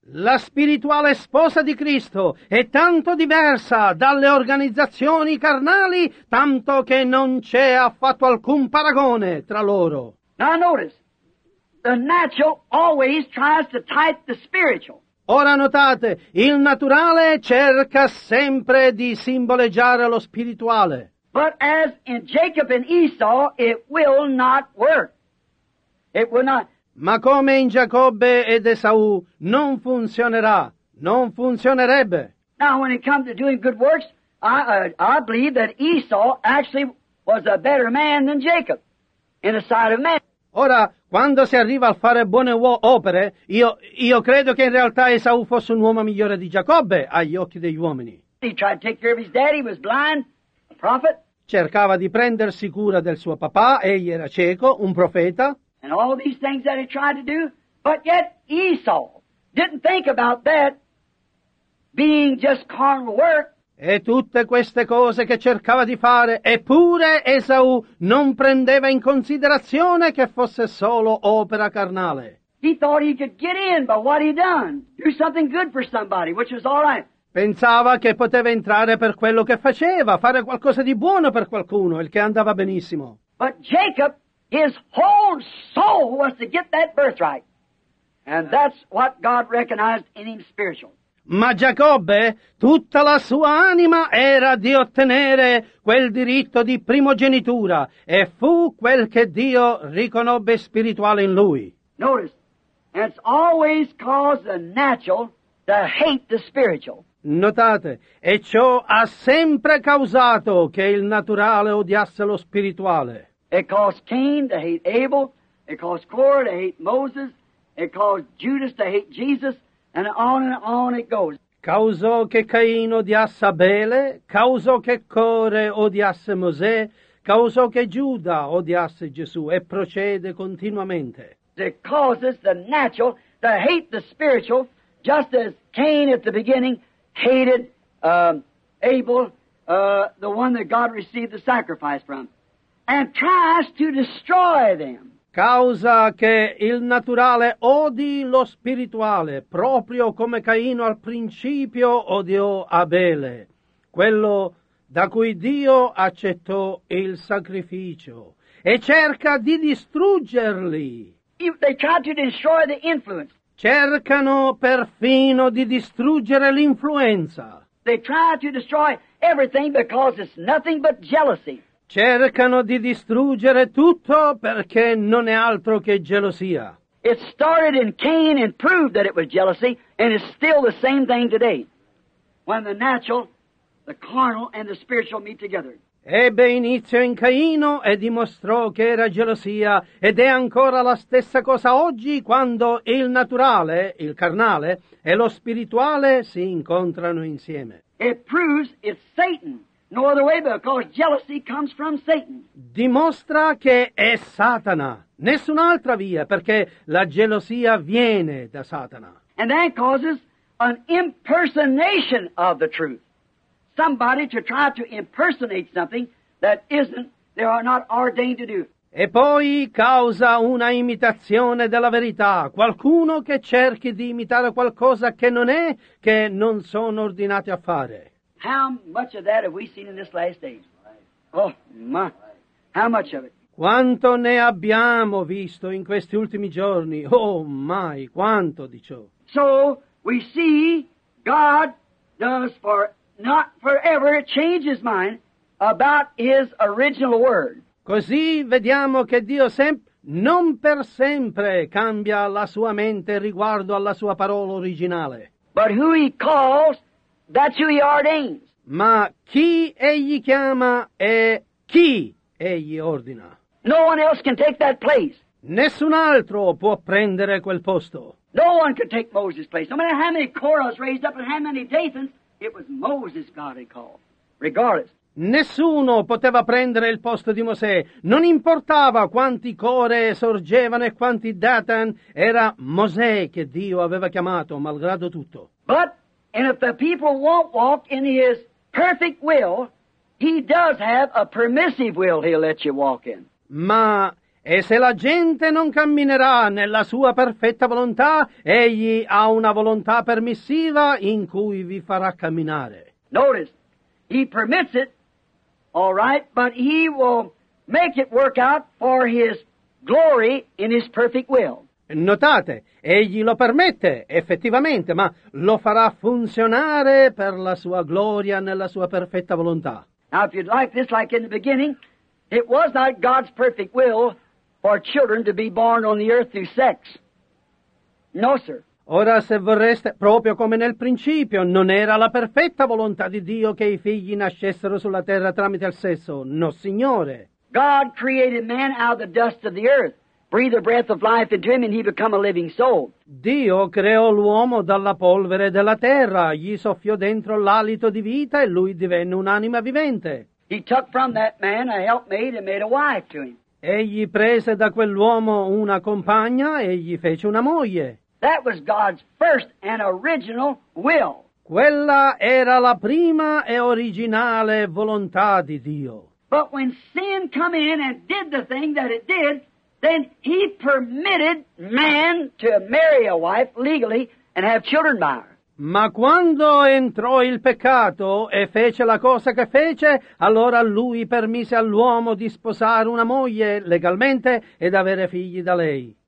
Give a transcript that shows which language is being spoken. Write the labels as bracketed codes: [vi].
[it] La spirituale sposa di Cristo è tanto diversa dalle organizzazioni carnali tanto che non c'è affatto alcun paragone tra loro. [en] Now notice, the natural always tries to type the spiritual. [it] Ora notate, il naturale cerca sempre di simboleggiare lo spirituale. [en] But as in Jacob and Esau, it will not work. It will not. [it] Ma come in Giacobbe ed Esau, non funzionerà, non funzionerebbe. [en] Now when it comes to doing good works, I believe that Esau actually was a better man than Jacob in the sight of men. [it] Ora, quando si arriva a fare buone opere, io credo che in realtà Esau fosse un uomo migliore di Giacobbe agli occhi degli uomini. [en] He tried to take care of his daddy, was blind, a prophet. [it] Cercava di prendersi cura del suo papà, egli era cieco, un profeta. [en] And all these things that he tried to do, but yet Esau didn't think about that being just carnal work. [it] E tutte queste cose che cercava di fare, eppure Esau non prendeva in considerazione che fosse solo opera carnale. [en] He thought he could get in by what he'd done, do something good for somebody, which was all right. [it] Pensava che poteva entrare per quello che faceva, fare qualcosa di buono per qualcuno, il che andava benissimo. [en] But Jacob, his whole soul was to get that birthright. And that's what God recognized in him spiritually. [it] Ma Giacobbe, tutta la sua anima era di ottenere quel diritto di primogenitura, e fu quel che Dio riconobbe spirituale in lui. [en] Notice, it's always caused the natural to hate the spiritual. [it] Notate, e ciò ha sempre causato che il naturale odiasse lo spirituale. [en] It caused Cain to hate Abel, it caused Korah to hate Moses, it caused Judas to hate Jesus. And on it goes. [it] Causò che Caino odiasse Abele, causò che Core odiasse Mosè, causò che Giuda odiasse Gesù, e procede continuamente. [en] It causes the natural to hate the spiritual, just as Cain at the beginning hated Abel, the one that God received the sacrifice from, and tries to destroy them. [it] Causa che il naturale odi lo spirituale, proprio come Caino al principio odiò Abele, quello da cui Dio accettò il sacrificio, e cerca di distruggerli. [en] They tried to destroy the influence. [it] Cercano perfino di distruggere l'influenza. [en] They try to destroy everything because it's nothing but jealousy. [it] Cercano di distruggere tutto perché non è altro che gelosia. [en] It started in Cain and proved that it was jealousy, and it's still the same thing today, when the natural, the carnal, and the spiritual meet together. [it] Ebbe inizio in Caino e dimostrò che era gelosia, ed è ancora la stessa cosa oggi quando il naturale, il carnale, e lo spirituale si incontrano insieme. [en] It proves it's Satan. No other way, because jealousy comes from Satan. [it] Dimostra che è Satana. Nessun'altra via, perché la gelosia viene da Satana. [en] And that causes an impersonation of the truth. Somebody to try to impersonate something that isn't, they are not ordained to do. [it] E poi causa una imitazione della verità. Qualcuno che cerchi di imitare qualcosa che non è, che non sono ordinati a fare. [en] How much of that have we seen in this last age? Oh, my. How much of it? [it] Quanto ne abbiamo visto in questi ultimi giorni? [en] Oh, my. [it] Quanto di ciò? [en] So, we see God does for not forever change his mind about his original word. [it] Così vediamo che Dio non per sempre cambia la sua mente riguardo alla sua parola originale. [en] But who he calls, that's who he ordains. [it] Ma chi egli chiama e chi egli ordina? [en] No one else can take that place. [it] Nessun altro può prendere quel posto. [en] No one could take Moses' place. No matter how many Korahs raised up and how many Dathans, it was Moses God had called. Regardless. [it] Nessuno poteva prendere il posto di Mosè. Non importava quanti Core sorgevano e quanti Dathan, era Mosè che Dio aveva chiamato, malgrado tutto. [en] But and if the people won't walk in his perfect will, he does have a permissive will he'll let you walk in. [it] Ma, e se la gente non camminerà nella sua perfetta volontà, egli ha una volontà permissiva in cui vi farà camminare. [en] Notice, he permits it, all right, but he will make it work out for his glory in his perfect will. [it] Notate, egli lo permette, effettivamente, ma lo farà funzionare per la sua gloria nella sua perfetta volontà. [en] Now, if you'd like this, like in the beginning, it was not God's perfect will for children to be born on the earth through sex. No, sir. [it] Ora, se vorreste, proprio come nel principio, non era la perfetta volontà di Dio che i figli nascessero sulla terra tramite il sesso. No, signore. [en] God created man out of the dust of the earth. breathe the breath of life into him and he become a living soul. [it] Dio creò l'uomo dalla polvere della terra, gli soffiò dentro l'alito di vita e lui divenne un'anima vivente. [en] He took from that man a helpmate and made a wife to him. [it] Egli prese da quell'uomo una compagna e gli fece una moglie. [en] That was God's first and original will. [it] Quella era la prima e originale volontà di Dio. [en] But when sin come in and did the thing that it did, then he permitted man to marry a wife legally and have children by her. [it] Ma quando entrò il peccato e fece la cosa che fece, allora lui permise all'uomo di sposare una moglie legalmente ed avere figli da lei.